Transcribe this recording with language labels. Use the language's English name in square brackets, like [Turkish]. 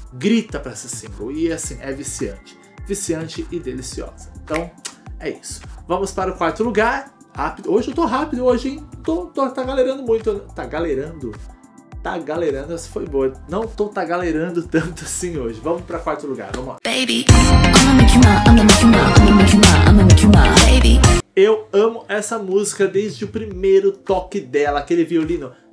[Portuguese] Grita pra ser single. E assim, é viciante. Viciante e deliciosa. Então, é isso. Vamos para o 4º lugar. Rápido. Hoje eu tô rápido, hoje, hein? Tá galerando muito. Tá galerando? Tá galerando, essa foi boa. Não tô tá galerando tanto assim hoje. Vamos pra 4º lugar, vamos lá. [English] Baby, I'm gonna make you mine. [Portuguese] Eu amo essa música desde o primeiro toque dela, aquele violino.